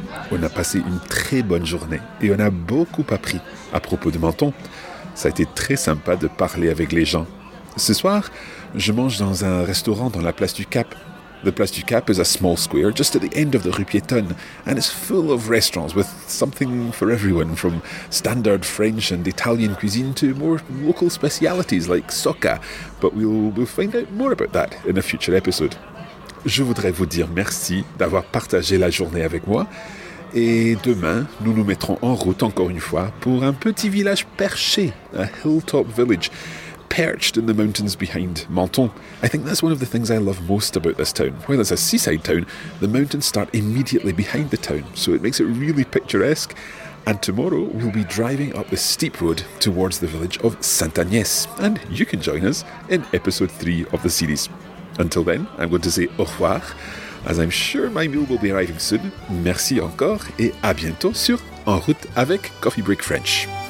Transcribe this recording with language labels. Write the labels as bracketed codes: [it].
[fr] On a passé une très bonne journée et on a beaucoup appris à propos de Menton. Ça a été très sympa de parler avec les gens. Ce soir, je mange dans un restaurant dans la place du Cap. [en] The place du Cap is a small square just at the end of the rue Piétonne and it's full of restaurants with something for everyone from standard French and Italian cuisine to more local specialities like soca. But we'll find out more about that in a future episode. [fr] Je voudrais vous dire merci d'avoir partagé la journée avec moi. Et demain, nous nous mettrons en route encore une fois pour un petit village perché, [en] a hilltop village, perched in the mountains behind Menton. I think that's one of the things I love most about this town. While it's a seaside town, the mountains start immediately behind the town, so it makes it really picturesque. And tomorrow, we'll be driving up the steep road towards the village of Saint-Agnès. And you can join us in episode 3 of the series. Until then, I'm going to say au revoir, as I'm sure my meal will be arriving soon. [fr] Merci encore, et à bientôt sur En Route avec Coffee Break French.